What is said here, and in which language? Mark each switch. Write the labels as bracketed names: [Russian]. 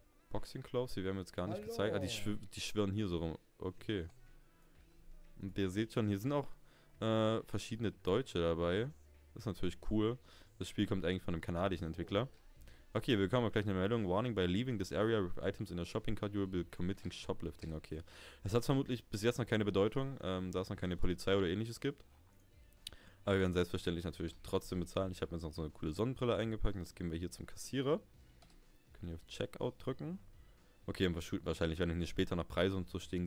[German] Boxing Gloves, die werden wir jetzt gar nicht gezeigt. Ah, Hallo. die schwirren hier so rum. Okay. Und ihr seht schon, hier sind auch verschiedene Deutsche dabei. Das ist natürlich cool. Das Spiel kommt eigentlich von einem kanadischen Entwickler. Okay, wir bekommen gleich eine Meldung. [English] Warning, by leaving this area with items in a shopping cart, you will be committing shoplifting. [German] Okay. Das hat vermutlich bis jetzt noch keine Bedeutung, da es noch keine Polizei oder ähnliches gibt. Aber wir werden selbstverständlich natürlich trotzdem bezahlen. Ich habe mir jetzt noch so eine coole Sonnenbrille eingepackt. Jetzt gehen wir hier zum Kassierer. Können hier auf Checkout drücken. Okay, wahrscheinlich werden hier später noch Preise und so stehen.